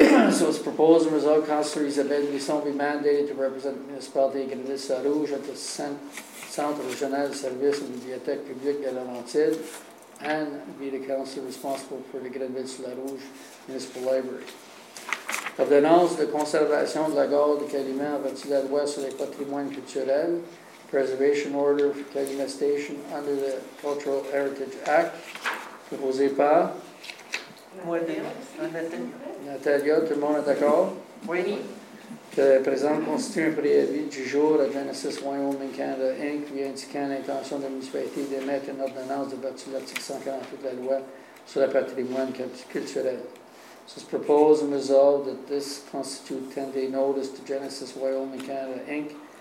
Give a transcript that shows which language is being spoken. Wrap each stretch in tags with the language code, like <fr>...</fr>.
<en>So, it's proposed and resolved, Councillor Isabelle Bisson be mandated to represent the municipality of Grenoble-sur-la-Rouge at the Centre régional de services de bibliothèque publique de Laurentide and be the councillor responsible for the Grenoble-sur-la-Rouge municipal library.</en> <fr>Ordonnance de conservation de la gare de Calumet en vertu de la loi sur les patrimoines culturels.</fr> <en>Preservation order for Calumet Station under the Cultural Heritage Act.</en> <fr>Proposé par? Moi, Nathalie. Nathalie, tout le monde est d'accord? Oui. Que le présent constitue un préavis du jour à Genesis Wyoming Canada Inc. lui indiquant l'intention de la municipalité d'émettre une ordonnance de battu l'article 148 de la loi sur le patrimoine culturel.</fr> <en>So it's proposed and resolved that this constitute 10-day notice to Genesis Wyoming Canada Inc.</en>